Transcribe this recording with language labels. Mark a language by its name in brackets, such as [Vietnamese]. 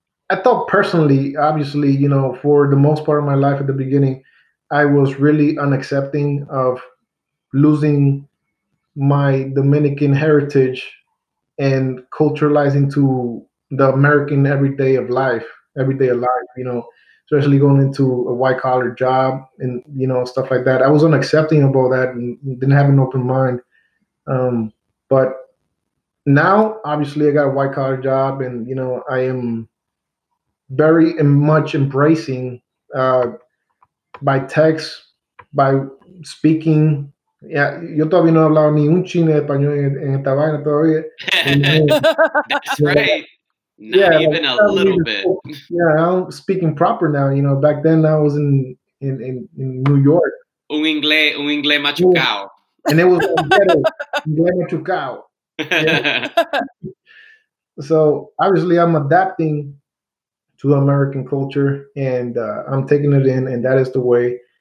[English] I thought personally, obviously, you know, for the most part of my life at the beginning, I was really unaccepting of losing my Dominican heritage and culturalizing to the American everyday of life, you know, especially going into a white collar job and, you know, stuff like that. I was unaccepting of all that and didn't have an open mind. But now, obviously, I got a white collar job and, you know, I am very much embracing by text, by speaking. Yeah, [Spanish] yo todavía no he hablado ni un chino de español en esta vaina todavía. [English] That's right. Not even a little bit. Yeah, I'm speaking proper now. You know, back then I was in New York. [Spanish] Un inglés machucao. [English] And it was inglés machucao. So obviously I'm adapting to American culture and I'm taking it in, and that is the way.